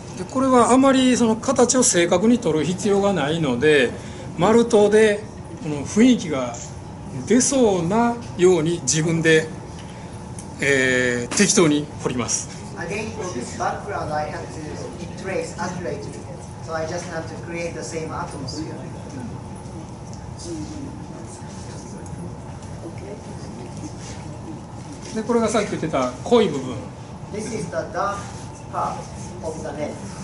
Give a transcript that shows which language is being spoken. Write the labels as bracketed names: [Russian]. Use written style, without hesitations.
[Japanese] これはあまりその形を正確に取る必要がないので丸刀でこの雰囲気が出そうなように自分で、適当に彫ります。 [English] Again, for this background, I have to trace accurately. So I just have to create the same atmosphere. [Japanese] でこれがさっき言ってた濃い部分。 [English] This is the dark part of the net.